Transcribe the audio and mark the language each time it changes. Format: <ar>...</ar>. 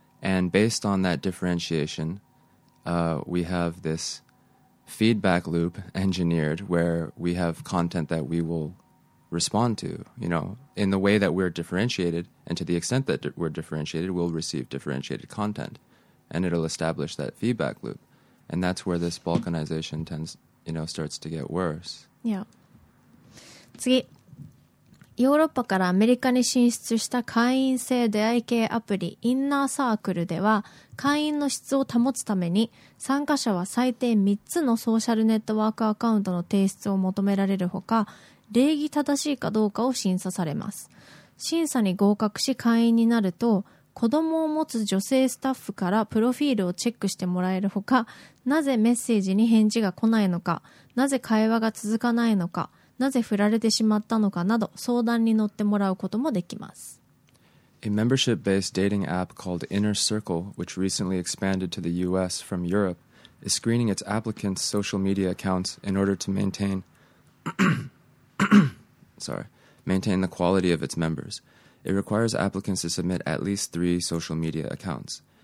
<en>And based on that differentiation, we have this feedback loop engineered where we have content that we will respond to, you know, in the way that we're differentiated, and to the extent that we're differentiated, we'll receive differentiated content, and it'll establish that feedback loop. And that's where this balkanization tends, you know, starts to get worse. Yeah.</en> <ja>次。ヨーロッパからアメリカに進出した会員制出会い系アプリインナーサークルでは、会員の質を保つために参加者は最低3つのソーシャルネットワークアカウントの提出を求められるほか、礼儀正しいかどうかを審査されます。審査に合格し会員になると、子供を持つ女性スタッフからプロフィールをチェックしてもらえるほか、なぜメッセージに返事が来ないのか、なぜ会話が続かないのか、なぜ振られてしまったのかなど相談に乗ってもらうこともできます。</ja> <en>A membership-based dating app called Inner Circle, which recently expanded to the US from Europe, is screening its applicants' social media accounts in order to maintain, maintain the quality of its members. It requires applicants to submit at least 3 social media accounts.</en>